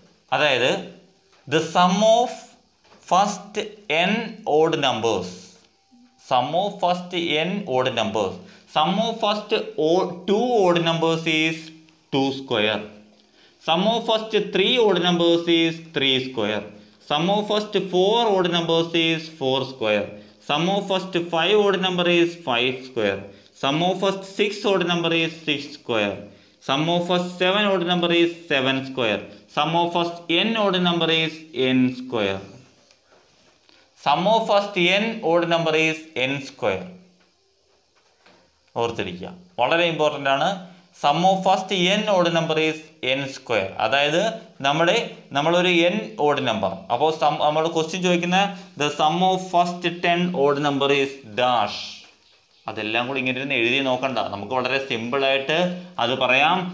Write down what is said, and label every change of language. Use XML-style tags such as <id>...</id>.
<ml>അതായത്</ml> <en>The sum of first n odd numbers, sum of first n odd numbers. Sum of first two odd numbers is 2 square. Sum of first 3 odd numbers is 3 square. Sum of first 4 odd numbers is 4 square. Sum of first 5 odd number is 5 square. Sum of first 6 odd number is 6 square. Sum of first 7 odd number is 7 square. Sum of first n odd number is n square. Sum of first n odd number is n square.</en> <ml>ഓർത്തിരിക്കുക, വളരെ important ആണ്.</ml> <en>Sum of first n odd number is n square.</en> <ml>അതായത് നമ്മുടെ നമ്മളൊരു an odd number, അപ്പോൾ നമ്മൾ question ചോദിക്കുന്ന</ml> <en>The sum of first ten odd number is dash.</en> <ml>അതെല്ലാം കൂടി ഇങ്ങനെ ഇരുന്ന് എഴുതി നോക്കണ്ട, നമുക്ക് വളരെ സിമ്പിളായിട്ട് അത് പറയാം.</ml>